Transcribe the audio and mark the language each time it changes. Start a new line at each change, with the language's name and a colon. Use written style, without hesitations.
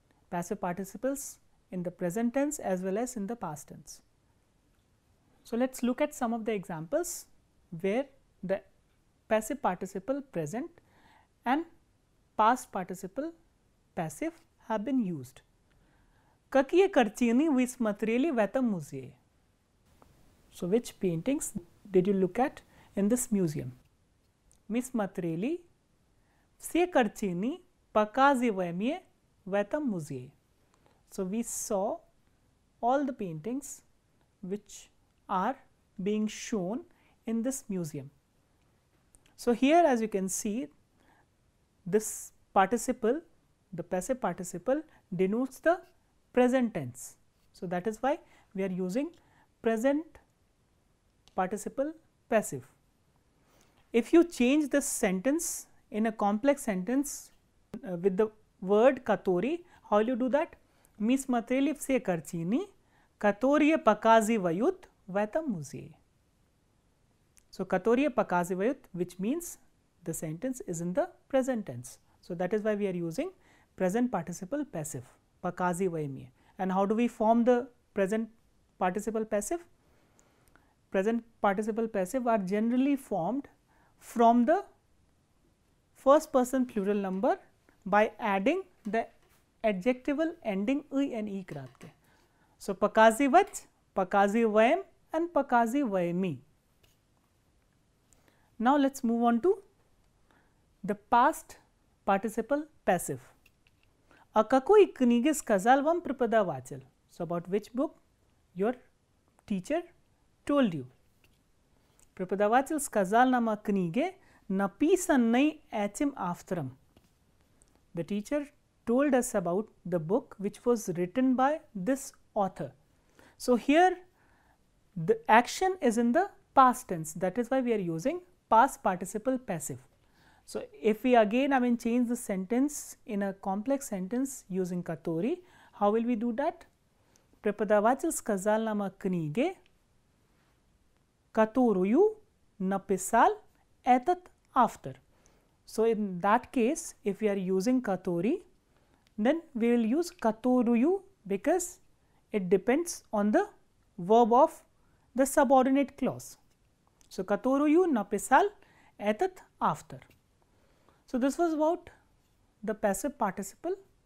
English: Passive participles in the present tense as well as in the past tense. So let's look at some of the examples where the passive participle present and past participle passive have been used.
Russian: Какие картины вы смотрели в этом музее?
English: So which paintings did you look at in this museum?
Russian: Мы смотрели все картины, показываемые в этом музее.
English: So we saw all the paintings which are being shown in this museum. So here, as you can see, this participle, the passive participle, denotes the present tense. So that is why we are using present participle passive. If you change this sentence in a complex sentence with the word katori, how will you do that?
Russian: Мы смотрели все картины, которые показывают в этом музее.
English: So, которые показывают, which means the sentence is in the present tense. So, that is why we are using present participle passive, показываемые. And how do we form the present participle passive? Present participle passive are generally formed from the first person plural number by adding the adjectival ending -y and -e karte.
Russian: So, показывать, показываем and показываеми.
English: Now, let's move on to the past participle passive.
Russian: О какой книге сказал вам преподаватель?
English: So, about which book your teacher told you.
Russian: Преподаватель сказал нам о книге, написанной этим автором.
English: The teacher told us about the book which was written by this author. So, here the action is in the past tense. That is why we are using past participle passive. So, if we again, change the sentence in a complex sentence using katori, how will we do that?
Russian: Преподаватель сказал нам о книге, которую написал этот автор.
English: So, in that case, if we are using katori, then we will use katoruyu because it depends on the verb of the subordinate clause. So, katoruyu napisal etat after. So, this was about the passive participle.